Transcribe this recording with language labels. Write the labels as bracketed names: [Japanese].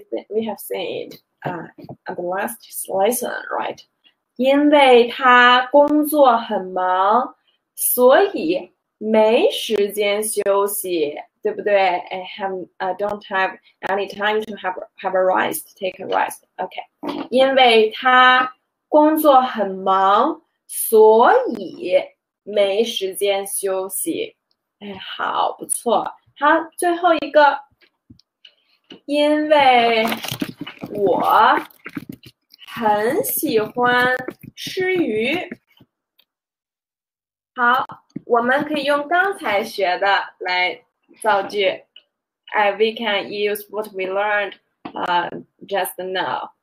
[English] We have seen at the last lesson, right? [Chinese] 因为他工作很忙，所以没时间休息，对不对？ [English] don't have any time to have a rest, take a rest. [Chinese] OK，因为他工作很忙，所以没时间休息。哎，好，不错。好，最后一个，因为我很喜欢吃鱼。好，我们可以用刚才学的来。造句， [English] we can use what we learned, just now.